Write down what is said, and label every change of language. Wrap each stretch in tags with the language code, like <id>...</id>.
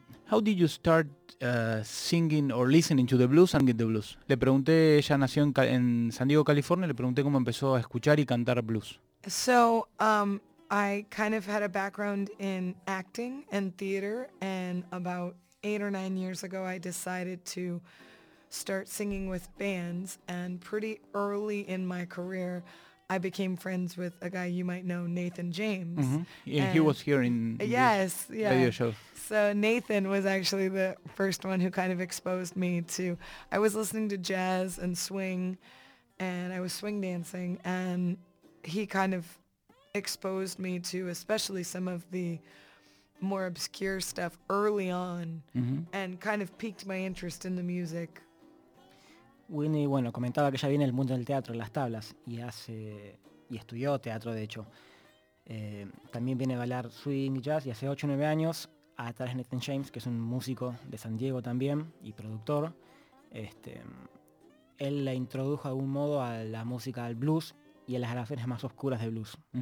<en>How did you start singing or listening to the blues and get the blues?</en> <es>Le pregunté, ella nació en San Diego, California, le pregunté cómo empezó a escuchar y cantar blues.</es> <en>So, I kind of had a background in acting and theater, and about 8 or 9 years ago, I decided to start singing with bands, and pretty early in my career, I became friends with a guy you might know, Nathan James. Mm-hmm. And he was here in radio show. So Nathan was actually the first one who kind of exposed me to, I was listening to jazz and swing, and I was swing dancing, and he kind of exposed me to especially some of the more obscure stuff early on, and kind of piqued my interest in the music.</en> <es>Winnie, bueno, comentaba que ya viene el mundo del teatro, las tablas, y estudió teatro, de hecho. También viene a bailar swing y jazz, y hace 8 o 9 años, a través de Nathan James, que es un músico de San Diego también, y productor, él la introdujo de algún modo a la música del blues y a las grabaciones más oscuras de blues.</es>